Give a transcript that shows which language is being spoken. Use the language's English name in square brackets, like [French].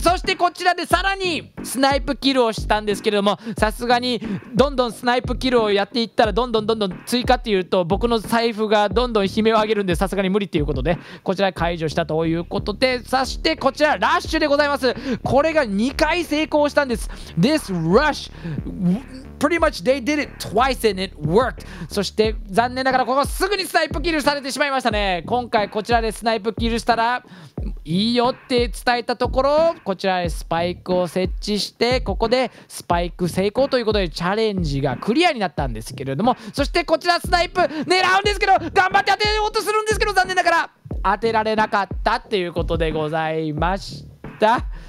[Japanese] そしてこちらでさらにスナイプキルをしたんですけれども、さすがにどんどんスナイプキルをやっていったら、どんどん追加っていうと僕の財布がどんどん悲鳴を上げるんで、さすがに無理っていうことで、こちら解除したということで、そしてこちらラッシュでございます。これが2回成功したんです。 [English] This rush pretty much they did it twice and it worked。 [Japanese] そして残念ながらここすぐにスナイプキルされてしまいましたね。今回こちらでスナイプキルしたらいいよって伝えたところ、こちらでスパイクを設置して、ここでスパイク成功ということで、チャレンジがクリアになったんですけれども、そしてこちらスナイプ狙うんですけど、頑張って当てようとするんですけど、残念ながら当てられなかったっていうことでございました。